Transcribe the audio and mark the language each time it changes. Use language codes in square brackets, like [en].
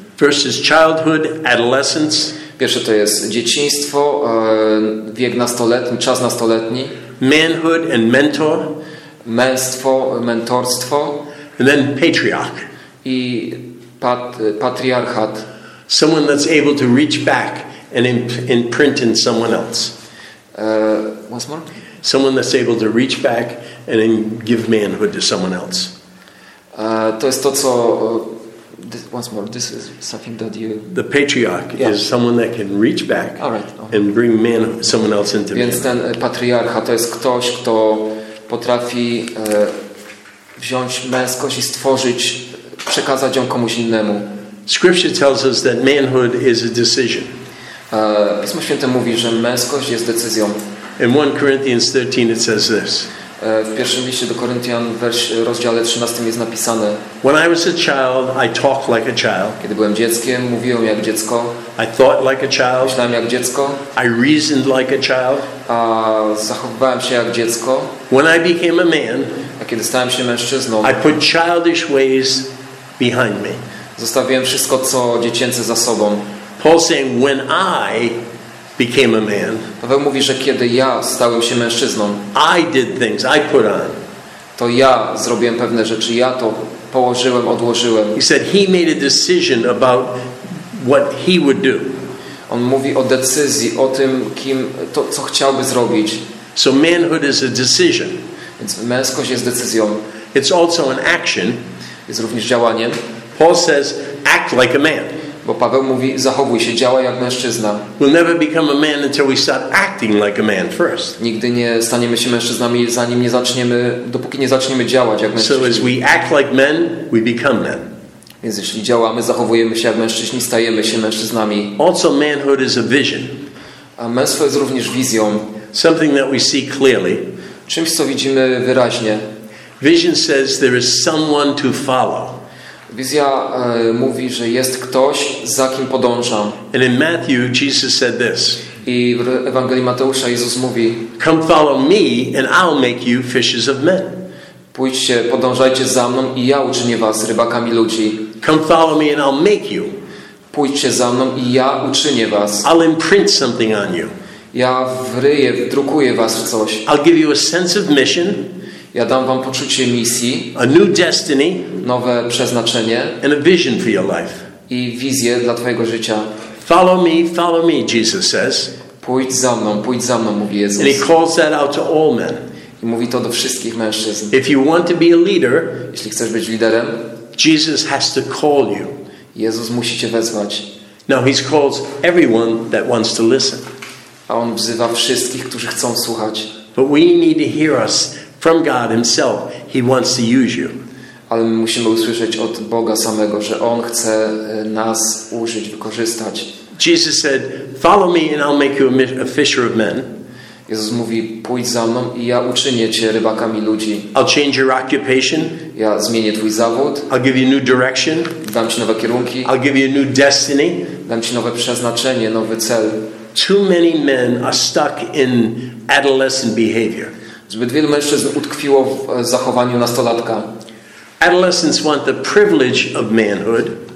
[en] First is childhood, adolescence. [pl] Pierwsze to jest dzieciństwo, wiek nastoletni, czas nastoletni. [en] Manhood and mentor. [pl] Męstwo, mentorstwo. [en] And then patriarch. [pl] I patriarchat. [en] Someone that's able to reach back and imprint in someone else. Once more? Someone that's able to reach back and then give manhood to someone else. [pl] To jest to, co... [en] once more, this is something that you... The patriarch is someone that can reach back and bring manhood, someone else into manhood. [pl] Więc ten patriarcha to jest ktoś, kto potrafi wziąć męskość i stworzyć, przekazać ją komuś innemu. [en] Scripture tells us that manhood is a decision. [pl] Pismo Święte mówi, że męskość jest decyzją. [en] In 1 Corinthians 13 it says this. [pl] W pierwszym liście do Koryntian w rozdziale 13 jest napisane: [en] When I was a child, I talked like a child. [pl] Kiedy byłem dzieckiem, mówiłem jak dziecko. [en] I thought like a child. [pl] Myślałem jak dziecko. [en] I reasoned like a child. [pl] A zachowywałem się jak dziecko. [en] When I became a man, [pl] a kiedy stałem się mężczyzną, [en] I put childish ways behind me. [pl] Zostawiłem wszystko, co dziecięce, za sobą. [en] Paul saying, when I became a man, [pl] Paweł mówi, że kiedy ja stałem się mężczyzną, [en] I did things, I put on. [pl] To ja zrobiłem pewne rzeczy, ja to położyłem, odłożyłem. [en] He said he made a decision about what he would do. [pl] On mówi o decyzji, o tym, kim, to, co chciałby zrobić. [en] So manhood is a decision. [pl] Więc męskość jest decyzją. [en] It's also an action. [pl] Jest również działaniem. [en] Paul says, act like a man. [pl] Bo Paweł mówi, zachowuj się, działaj jak mężczyzna. [en] We'll never become a man until we start acting like a man first. [pl] Nigdy nie staniemy się mężczyznami, dopóki nie zaczniemy działać jak mężczyzna. [en] So as we act like men, we become men. [pl] Więc jeśli działamy, zachowujemy się jak mężczyźni, stajemy się mężczyznami. [en] Also manhood is a vision. [pl] A męstwo jest również wizją. [en] Something that we see clearly. [pl] Czymś, co widzimy wyraźnie. [en] Vision says there is someone to follow. [pl] Wizja mówi, że jest ktoś, za kim podążam. [en] And in Matthew, Jesus said this. [pl] I w Ewangelii Mateusza Jezus mówi: [en] Come follow me and I'll make you fishers of men. [pl] Pójdźcie, podążajcie za mną i ja uczynię was rybakami ludzi. [en] Come follow me and I'll make you. [pl] Pójdźcie za mną i ja uczynię was. [en] I'll imprint something on you. [pl] Ja wryję, drukuję was w coś. [en] I'll give you a sense of mission. [pl] Ja dam wam poczucie misji, [en] a new destiny, [pl] nowe przeznaczenie, [en] and a vision for your life. [pl] I wizję dla twojego życia. [en] Follow me, Jesus says. [pl] Pójdź za mną, mówi Jezus. [en] And he calls that out to all men. [pl] I mówi to do wszystkich mężczyzn. [en] If you want to be a leader, [pl] jeśli chcesz być liderem, [en] Jesus has to call you. [pl] Jezus musi cię wezwać. [en] Now he calls everyone that wants to listen. [pl] A on wzywa wszystkich, którzy chcą słuchać. [en] But we need to hear us. From God himself, he wants to use you. [pl] Ale my musimy usłyszeć od Boga samego, że on chce nas użyć, wykorzystać. [en] Jesus said, "Follow me and I'll make you a fisher of men." [pl] Jezus mówi: "Pójdź za mną i ja uczynię cię rybakami ludzi." [en] "I'll change your occupation." [pl] Ja zmienię twój zawód. [en] "I'll give you new direction." [pl] Dam ci nowe kierunki. [en] "I'll give you new destiny." [pl] Dam ci nowe przeznaczenie, nowy cel. [en] Too many men are stuck in adolescent behavior. [pl] Zbyt wielu mężczyzn utkwiło w zachowaniu nastolatka. [en] Adolescents want the privilege of manhood.